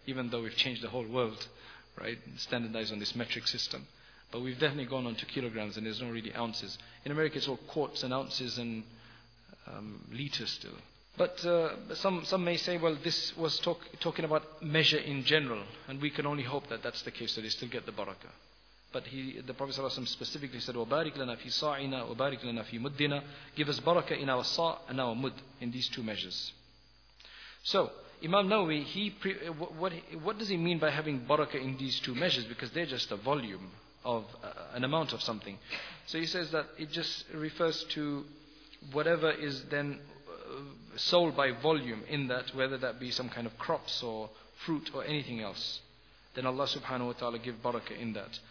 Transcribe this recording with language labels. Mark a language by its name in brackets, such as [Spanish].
[English] Even though we've changed the whole world, right? Standardized on this metric system. But we've definitely gone on to kilograms and there's no really ounces. In America, it's all quarts and ounces and liters still. But some may say, well, this was talking about measure in general, and we can only hope that that's the case, that they still get the barakah. But the Prophet ﷺ specifically said, [Arabic] وَبَارِكْ لَنَا فِي صَاعِنَا وَبَارِكْ لَنَا فِي مُدِّنَا. [English] Give us barakah in our sa' and our mud, in these two measures. So, Imam Nawawi, what does he mean by having barakah in these two measures? Because they're just a volume of an amount of something. So he says that it just refers to whatever is then sold by volume in that, whether that be some kind of crops or fruit or anything else, then Allah subhanahu wa ta'ala give barakah in that.